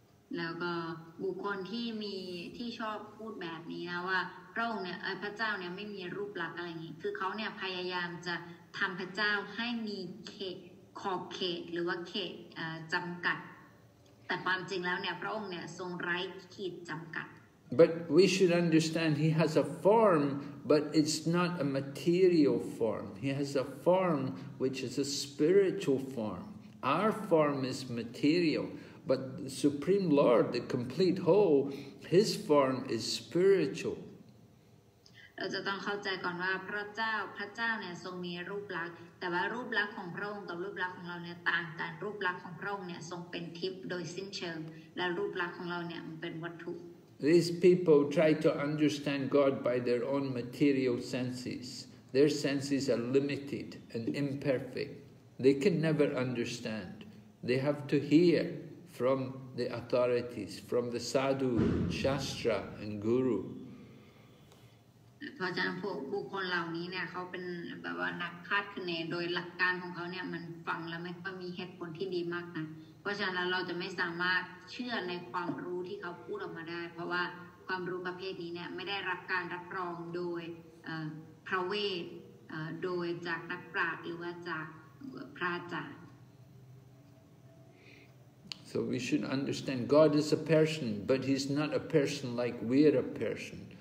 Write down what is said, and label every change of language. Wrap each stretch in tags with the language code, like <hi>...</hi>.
<en>And people who talk like this, who say, oh, God doesn't have a form,</en> <th>ทำพระเจ้าให้มีเขตขอบเขตหรือว่าเขตจำกัดแต่ความจริงแล้วเนี่ยพระองค์เนี่ยทรงไร้ขีดจำกัด</th> <en>But we should understand he has a form but it's not a material form he has a form which is a spiritual form our form is material but the supreme lord the complete whole his form is spiritual</en> <th>เราจะต้องเข้าใจก่อนว่าพระเจ้าเนี่ยทรงมีรูปลักษณ์แต่ว่ารูปลักษณ์ของพระองค์กับรูปลักษณ์ของเราเนี่ยต่างกันรูปลักษณ์ของพระองค์เนี่ยทรงเป็นทิพย์โดยสิ้นเชิงและรูปลักษณ์ของเราเนี่ยมันเป็นวัตถุ</th> <en>These people try to understand God by their own material senses. Their senses are limited and imperfect. They can never understand. They have to hear from the authorities, from the sadhu, shastra, and guru.</en> <th>เพราะฉะนั้นพวกบุคคลเหล่านี้เนี่ยเขาเป็นแบบว่านักคาดคะเนโดยหลักการของเขาเนี่ยมันฟังแล้วไม่ค่อยมีเหตุผลที่ดีมากนะเพราะฉะนั้นเราจะไม่สามารถเชื่อในความรู้ที่เขาพูดออกมาได้เพราะว่าความรู้ประเภทนี้เนี่ยไม่ได้รับการรับรองโดยพระเวทโดยจากนักปราชญ์หรือว่าจากพระอาจารย์</th> <en>So we should understand God is a person but he's not a person like we're a person</en>